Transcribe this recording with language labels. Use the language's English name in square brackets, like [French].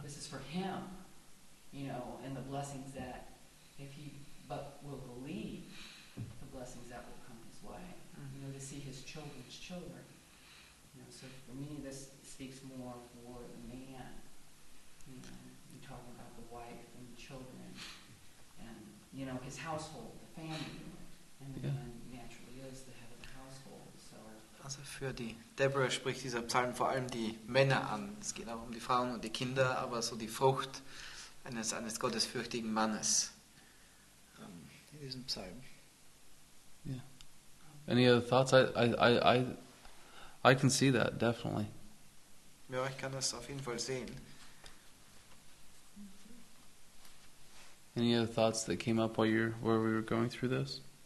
[English] This is for him, you know, and the blessings that if he but will believe the blessings that will come his way, mm-hmm. you know, to see his children's children. You know, so for me, this speaks more for the man. You know, you're talking about the wife and the children and, you know, his household, the family. And the man naturally is the head of the household. So. [German] Also für die Deborah spricht dieser Psalm vor allem die Männer an. Es geht auch um die Frauen und die Kinder, aber so die Frucht eines gottesfürchtigen Mannes. [English] Isn't psalm. Yeah. Any other thoughts? I can see that definitely. [German] Ja, ich kann das auf jeden Fall sehen. [English] Any other thoughts that came up while where we were going through this?